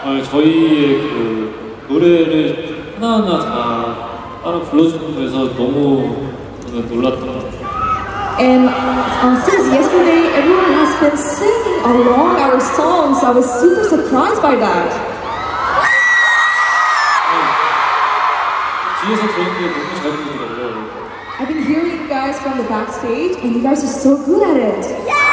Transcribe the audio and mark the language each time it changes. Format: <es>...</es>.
<ko>저희의 그 노래를 하나하나 다 따로 불러주는 데서 너무 놀랐던 것 같아요.</ko> <en>And since yesterday, everyone has been singing along our songs, so I was super surprised by that.</en> <ko>뒤에서 저희한테 너무 잘 부르더라고요.</ko> <en>I've been hearing you guys from the backstage, and you guys are so good at it.</en>